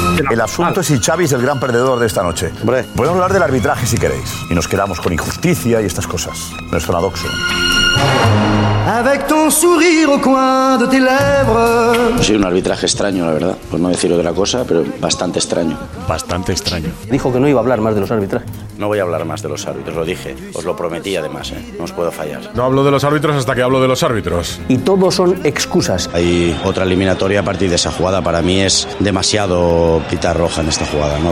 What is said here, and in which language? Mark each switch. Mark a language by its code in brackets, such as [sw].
[es] El asunto es si Xavi es el gran perdedor de esta noche. Hombre, podemos hablar del arbitraje si queréis. Y nos quedamos con injusticia y estas cosas. No es paradoxo. [fr] Avec ton sourire au coin de tes lèvres. [es] Sí, un arbitraje extraño, la verdad. Por no decir otra cosa, pero bastante extraño. Bastante extraño. Dijo que no iba a hablar más de los arbitrajes. No voy a hablar más de los árbitros, lo dije. Os lo prometí, además, ¿eh? No os puedo fallar. No hablo de los árbitros hasta que hablo de los árbitros. Y todo son excusas. Hay otra eliminatoria a partir de esa jugada. Para mí es demasiado pitar roja en esta jugada, ¿no?